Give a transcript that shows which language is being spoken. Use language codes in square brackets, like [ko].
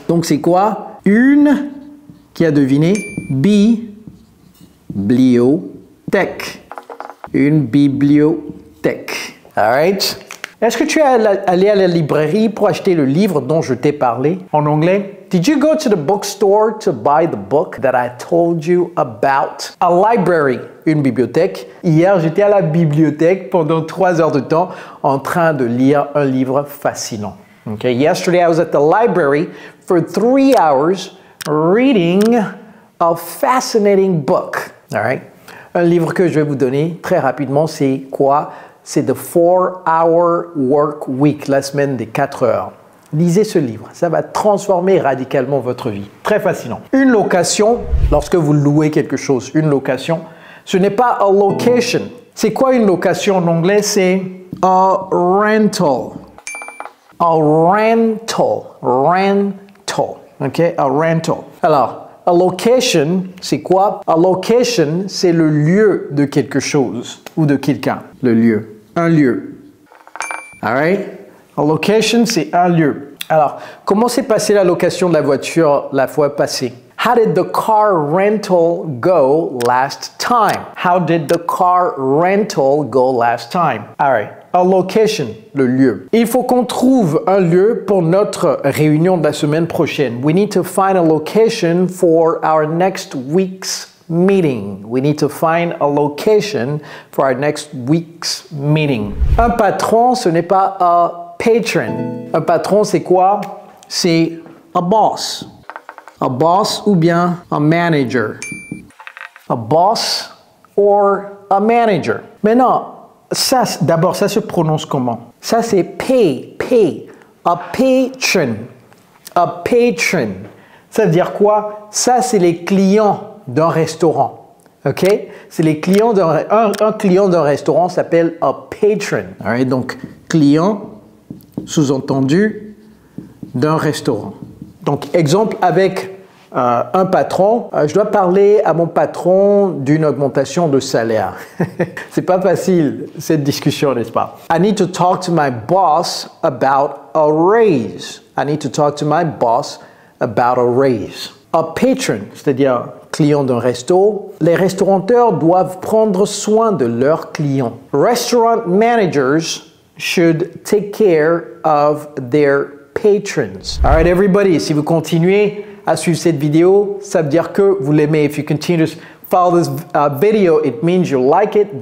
[fr] Donc, c'est quoi? Une, qui a deviné, bibliothèque. Une bibliothèque. [en] All right? [fr] Est-ce que tu es allé à la librairie pour acheter le livre dont je t'ai parlé en anglais? [en] Did you go to the bookstore to buy the book that I told you about? A library, [fr] une bibliothèque. Hier, j'étais à la bibliothèque pendant 3 heures de temps en train de lire un livre fascinant. [en] Okay. Yesterday, I was at the library for 3 hours reading a fascinating book. All right. [fr] Un livre que je vais vous donner très rapidement, c'est quoi? C'est The 4-Hour Work Week, la semaine des 4 heures. Lisez ce livre, ça va transformer radicalement votre vie. Très fascinant. Une location, lorsque vous louez quelque chose, une location, Ce n'est pas a location. C'est quoi une location en anglais? C'est [en] a rental. A rental. Rental. OK? A rental. [fr] Alors, [en] a location, [fr] c'est quoi? A location, c'est le lieu de quelque chose ou de quelqu'un. Le lieu. Un lieu. [en] All right? [fr] A location, c'est un lieu. Alors, comment s'est passée la location de la voiture la fois passée? [en] How did the car rental go last time? How did the car rental go last time? All right. A location, [fr] le lieu. Il faut qu'on trouve un lieu pour notre réunion de la semaine prochaine. [en] We need to find a location for our next week's meeting. We need to find a location for our next week's meeting. [fr] Un patron, ce n'est pas a patron. Un patron, c'est quoi? C'est [en] a boss. A boss [fr] ou bien [en] a manager. A boss or a manager. [fr] Mais non, ça, d'abord, ça se prononce comment? Ça, c'est pay, pay. A patron. A patron. Ça veut dire quoi? Ça, c'est les clients d'un restaurant. OK? C'est les clients d'un... Un client d'un restaurant s'appelle a patron. [en] All right? [fr] Donc, client, sous-entendu, d'un restaurant. Donc, exemple avec... un patron, je dois parler à mon patron d'une augmentation de salaire. C'est pas facile cette discussion, n'est-ce pas? [en] I need to talk to my boss about a raise. I need to talk to my boss about a raise. [fr] A patron, c'est-à-dire client d'un resto. Les restaurateurs doivent prendre soin de leurs clients. [en] Restaurant managers should take care of their patrons. All right, everybody, [fr] si vous continuez à suivre cette vidéo, ça veut dire que vous l'aimez. [en] If you continue to follow this video, it means you like it.